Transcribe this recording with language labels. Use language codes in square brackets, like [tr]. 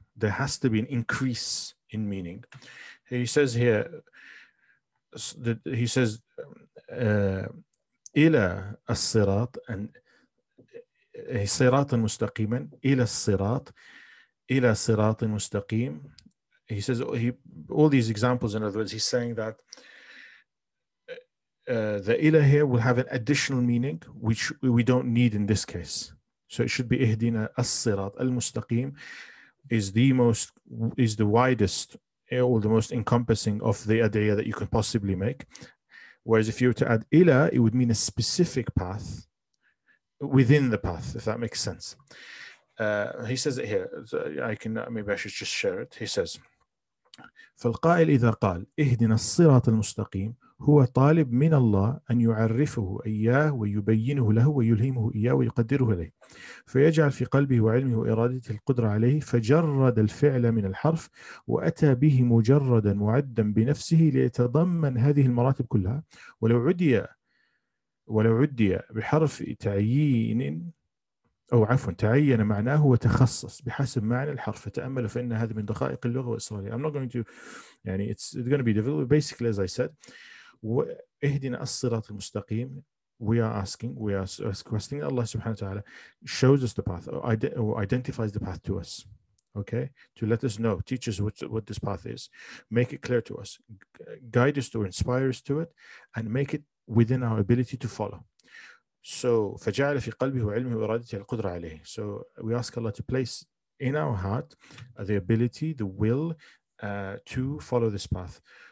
[en] There has to be an increase in meaning. He says here that he says [ar] إلى الصراط and صراط مستقيما إلى الصراط إلى صراط مستقيم. [en] He says all these examples, in other words, he's saying that the إلى here will have an additional meaning which we don't need in this case. So it should be [ar] إهدنا الصراط المستقيم [en] is the widest or the most encompassing of the adiyah that you can possibly make. Whereas if you were to add ila, it would mean a specific path within the path, if that makes sense. He says it here. Maybe I should just share it. He says, [ar] فالقائل إذا قال اهدنا الصراط المستقيم هو طالب من الله أن يعرفه إياه ويبينه له ويلهمه إياه ويقدره له فيجعل في قلبه وعلمه وإرادته القدرة عليه فجرد الفعل من الحرف وأتى به مجردا معدا بنفسه ليتضمن هذه المراتب كلها ولو عدي بحرف تعيين أو عفوا تعين معناه وتخصص بحسب معنى الحرف فتأمل فإن هذا من دقائق اللغة الإسرائيلية. [en] I'm not going to it's going to be difficult, but basically as I said, [ar] اهدنا الصراط المستقيم. [en] We are requesting Allah subhanahu wa ta'ala shows us the path or identifies the path to us, okay, to let us know, teach us what this path is, make it clear to us, guide us to, inspire us to it, and make it within our ability to follow. [ar] So فجعل في قلبه وعلمه وإرادته القدرة عليه. [en] So we ask Allah to place in our heart the ability, the will to follow this path.